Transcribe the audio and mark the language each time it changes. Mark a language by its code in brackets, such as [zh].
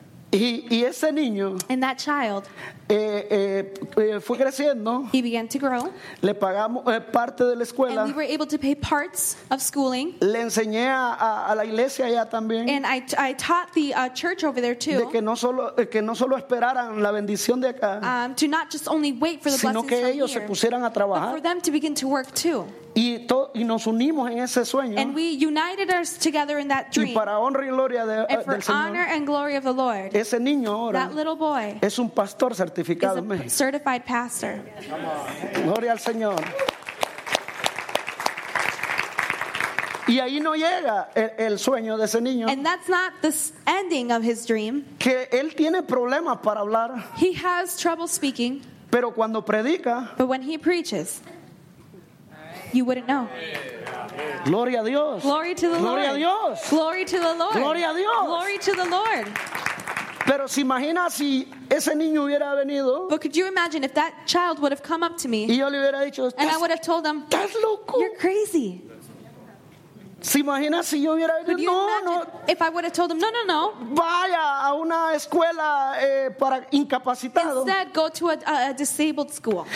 [es] Y ese niño, [en] and that child, [es] fue creciendo. [en] He began to grow. [es] Le pagamos parte de la escuela. [en] And we were able to pay parts of schooling. [es] Le enseñé a la iglesia allá también. [en] And I taught the church over there too. [es] De que no solo esperaran la bendición de acá. [en] To not just only wait for the [es] sino que ellos [en] from here, [es] se pusieran a trabajar. [en] But for them to begin to work too. [es] Y nos unimos en ese sueño. [en] And we united us together in that dream. [es] Y para honra y gloria del Señor. [en] And for honor and glory of the Lord. [es] Ese niño ahora, [en] that little boy, [es] es un pastor certificado en México. [en] Certified pastor. [es] Gloria al Señor. Y ahí no llega el sueño de ese niño. [en] And that's not the ending of his dream. [es] Que él tiene problemas para hablar. [en] He has trouble speaking. [es] Pero cuando predica, [en] but when he preaches, you wouldn't know. [es] Gloria a Dios. [en] Glory to the [es] Gloria [en] Lord. [es] Gloria a Dios. [en] Glory to the Lord. [es] Gloria a Dios. [en] Glory to the Lord. [es] Pero se imagina si ese niño hubiera venido. [en] But could you imagine if that child would have come up to me? [es] Y yo le hubiera dicho, [en] and I would have told him, [es] "Estás loco." [en] You're crazy. [es] Se imagina si yo hubiera venido. [en] Could you [es] no, no. [en] If I would have told him, "No, no, no." [es] Vaya a una escuela para incapacitados. [en] Instead, go to a disabled school.